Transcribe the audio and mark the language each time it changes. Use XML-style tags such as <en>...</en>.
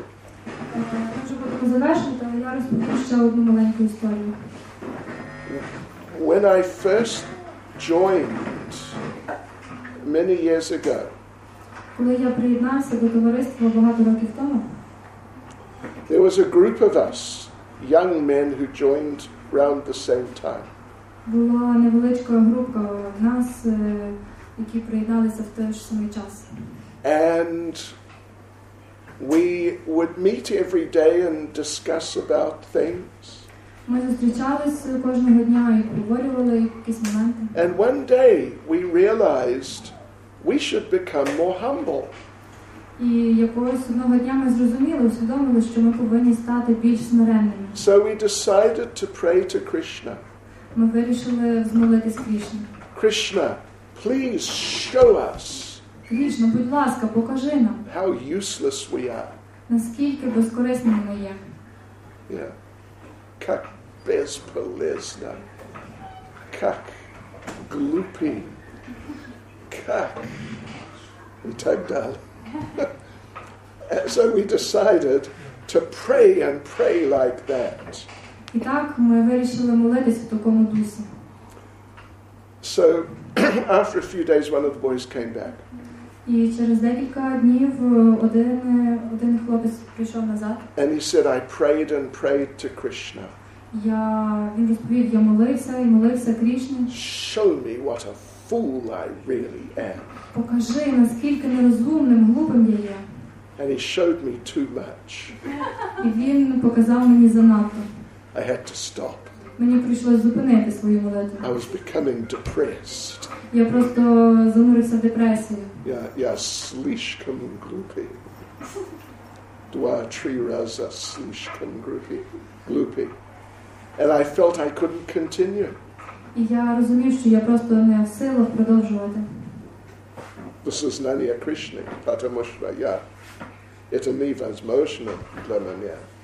<en>When I first joined many years ago, there was a group of us, young men who joined around the same time.</en> <uk>Була невеличка група нас, які приєдналися в той ж самий час.</uk> <en>And we would meet every day and discuss about things.</en> <uk>Ми зустрічались кожного дня і обговорювали якісь моменти.</uk> <en>And one day we realized we should become more humble.</en> <uk>І якогось одного дня ми зрозуміли, усвідомили, що ми повинні стати більш смиренними.</uk> <en>So we decided to pray to Krishna.</en> <uk>Ми вирішили змолитись Кришні.</uk> <en>Krishna, please show us.</en> <uk>Кришна, будь ласка, покажи нам.</uk> <en>How useless we are.</en> <uk>Наскільки безкорисними ми є.</uk> <en>Yeah.</en> <ru>Как бесполезно. Как глупі. Как.</ru> <uk>І так далі.</uk> <en>So we decided to pray and pray like that.</en> <uk>І так ми вирішили молитися в такому дусі.</uk> <en>So, after a few days, one of the boys came back.</en> <uk>І через декілька днів один хлопець прийшов назад.</uk> <en>And he said, I prayed and prayed to Krishna.</en> <uk>Він розповів, я молився і молився Кришні.</uk> <en>Show me what a fool I really am.</en> <uk>Покажи, наскільки нерозумним, глупим я є.</uk> <en>And he showed me too much.</en> <uk>І він показав мені занадто.</uk> <en>I had to stop.</en> <uk>Мені прийшлося зупинити свою молитву.</uk> <en>I was becoming depressed.</en> <uk>Я просто занурився в депресію.</uk> <ru>Я слишком глупий. Два, три рази слишком глупий.</ru> <en>And I felt I couldn't continue.</en> <uk>І я розумів, що я просто не в силах продовжувати.</uk> <en>This is Nanya Krishna,</en> <ru>потому що я. Это не возможно для мене.</ru>